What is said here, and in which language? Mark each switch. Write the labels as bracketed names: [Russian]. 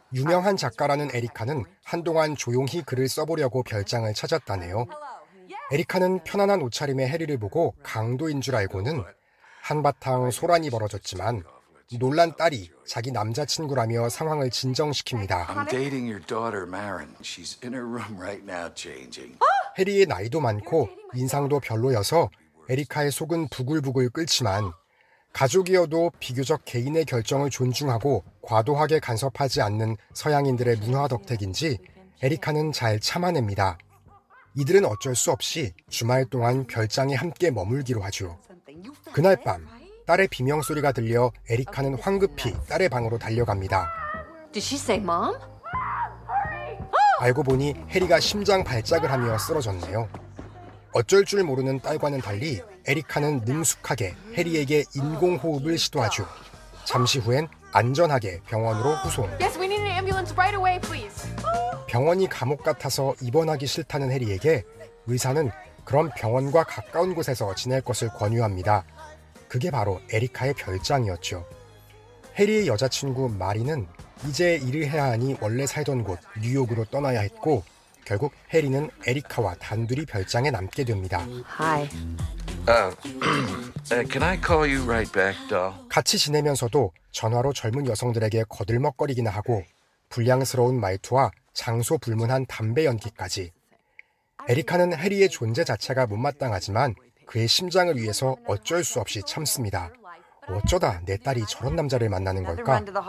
[Korean] 유명한 작가라는 에리카는 한동안 조용히 글을 써보려고 별장을 찾았다네요. 에리카는 편안한 옷차림의 해리를 보고 강도인 줄 알고는 한바탕 소란이 벌어졌지만 놀란 딸이 자기 남자친구라며 상황을 진정시킵니다. [English] I'm dating your daughter, Marin. She's in her room right now changing. [Korean] 해리의 나이도 많고 인상도 별로여서 에리카의 속은 부글부글 끓지만 가족이어도 비교적 개인의 결정을 존중하고 과도하게 간섭하지 않는 서양인들의 문화 덕택인지 에리카는 잘 참아냅니다. 이들은 어쩔 수 없이 주말 동안 별장에 함께 머물기로 하죠. 그날 밤 딸의 비명소리가 들려 에리카는 황급히 딸의 방으로 달려갑니다. [English] Did she say mom? [Korean] 알고 보니 해리가 심장 발작을 하며 쓰러졌네요. 어쩔 줄 모르는 딸과는 달리 에리카는 능숙하게 해리에게 인공호흡을 시도하죠. 잠시 후엔 안전하게 병원으로 후송. [English] Yes, we need an ambulance right away, please. [Korean] 병원이 감옥 같아서 입원하기 싫다는 해리에게 의사는 그럼 병원과 가까운 곳에서 지낼 것을 권유합니다. 그게 바로 에리카의 별장이었죠. 해리의 여자친구 마리는 이제 일을 해야 하니 원래 살던 곳 뉴욕으로 떠나야 했고 결국 해리는 에리카와 단둘이 별장에 남게 됩니다. [English] Hi. Can I call you right back, doll? [Korean] 같이 지내면서도 전화로 젊은 여성들에게 거들먹거리기나 하고 불량스러운 말투와 장소 불문한 담배 연기까지. 에리카는 해리의 존재 자체가 못마땅하지만 그의 심장을 위해서 어쩔 수 없이 참습니다. 어쩌다 내 딸이 저런 남자를 만나는 걸까?